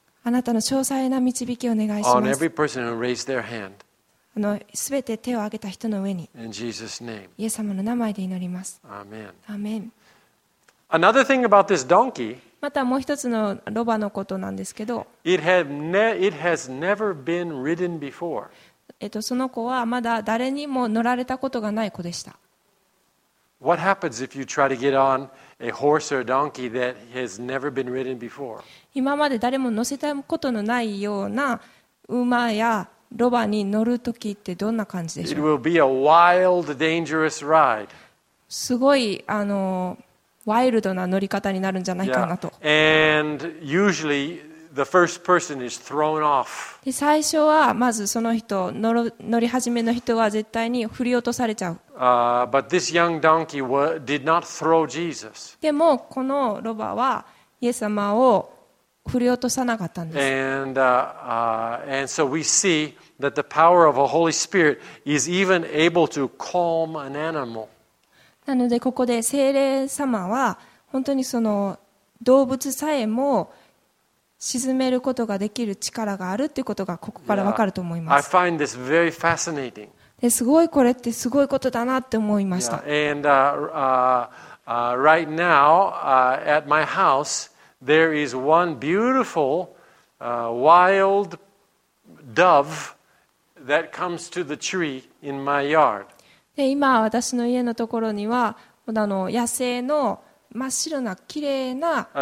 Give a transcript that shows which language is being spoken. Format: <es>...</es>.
<ja>あなたの詳細な導きをお願いします。</ja> <en>On every person who raised their hand.</en> <ja>すべて手を挙げた人の上に。</ja> <en>In Jesus' name.</en> <ja>イエス様の名前で祈ります。</ja> <en>Amen. Amen. Another thing about this donkey.</en> <ja>またもう一つのロバのことなんですけど、</ja> <en>It has never been ridden before.</en> <ja>その子はまだ誰にも乗られたことがない子でした。</ja> <en>What happens if you try to get on a horse or a donkey that has never been ridden before?</en> <ja>今まで誰も乗せたことのないような馬やロバに乗るときってどんな感じでしょう?</ja> <en>It will be a wild, dangerous ride.</en> <ja>すごいワイルドな乗り方になるんじゃないかなと。</ja> <en>Yeah. And usually the first person is thrown off.</en> <ja>で最初はまずその人乗り始めの人は絶対に振り落とされちゃう。</ja> <en>But this young donkey did not throw Jesus.</en> <ja>でもこのロバはイエス様を振り落とさなかったんです。</ja> <en>And so we see that the power of a Holy Spirit is even able to calm an animal.</en> <ja>なのでここで聖霊様は本当にその動物さえも沈めることができる力があるということがここからわかると思います。</ja> <en>I find this very fascinating.</en> <ja>すごいこれってすごいことだなって思いました。</ja> <en>And right now at my house there is one beautiful wild dove that comes to the tree in my yard.</en> <ja>で今私の家のところには野生の真っ白な綺麗な</ja>